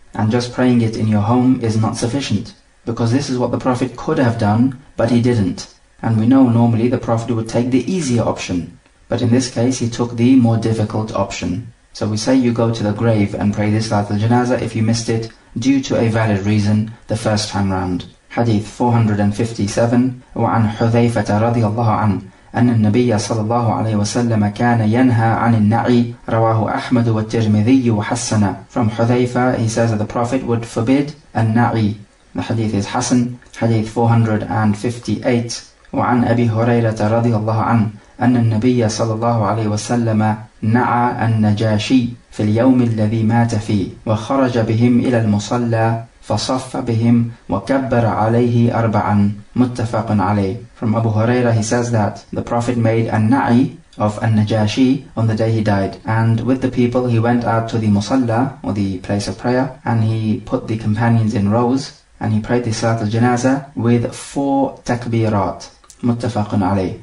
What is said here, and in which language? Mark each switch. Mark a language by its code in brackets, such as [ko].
[en] And just praying it in your home is not sufficient, because this is what the Prophet could have done, but he didn't. And we know normally the Prophet would take the easier option. But in this case, he took the more difficult option. So we say you go to the grave and pray this Salat al-Janazah if you missed it due to a valid reason the first time round. Hadith 457. [ar] وعن حذيفة رضي الله عنه أن النبي صلى الله عليه وسلم كان ينهى عن النعي رواه أحمد والترمذي وحسن. [en] From حذيفة, he says that the Prophet would forbid النعي. The hadith is Hasan. Hadith 458. [ar] وعن أبي هريرة رضي الله عنه أن النبي صلى الله عليه وسلم نعى النجاشي في اليوم الذي مات فيه وخرج بهم إلى المصلى فصف بهم وكبر عليه أربعا متفق عليه. [en] From Abu Huraira he says that the Prophet made a na'i of al-Najashi on the day he died, and with the people he went out to the musalla or the place of prayer, and he put the companions in rows and he prayed the Salat al-Janaza with four takbirat. Muttafaqun alayh.